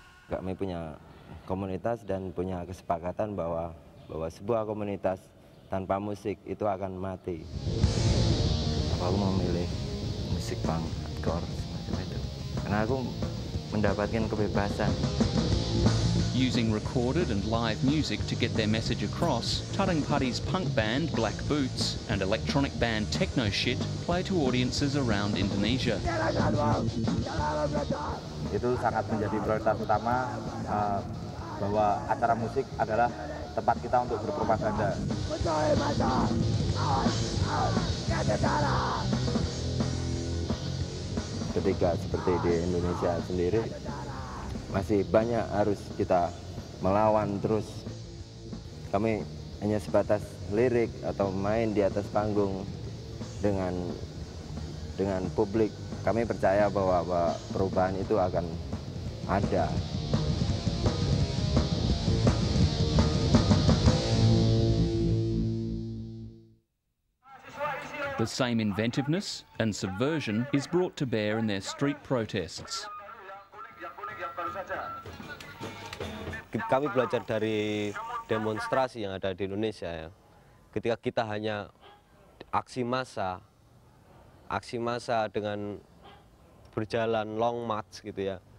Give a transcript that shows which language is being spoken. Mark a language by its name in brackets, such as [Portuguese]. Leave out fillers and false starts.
[Indonesian] Kami punya komunitas dan punya kesepakatan bahwa sebuah komunitas tanpa musik itu akan mati. Aku memilih musik punk, hardcore, semacam itu. Karena aku mendapatkan kebebasan. [English] Using recorded and live music to get their message across, Tarang Padi's punk band Black Boots and electronic band Techno Shit play to audiences around Indonesia. [Indonesian] Itu sangat menjadi prioritas utama bahwa acara musik adalah tempat kita untuk berpropaganda. Ketika seperti di Indonesia sendiri, masih banyak harus kita melawan terus. Kami hanya sebatas lirik atau main di atas panggung dengan publik. Kami percaya bahwa perubahan itu akan ada. [English] The same inventiveness and subversion is brought to bear in their street protests. [Indonesian] Kami belajar dari demonstrasi yang ada di Indonesia ya. Ketika kita hanya aksi massa dengan berjalan long march gitu ya.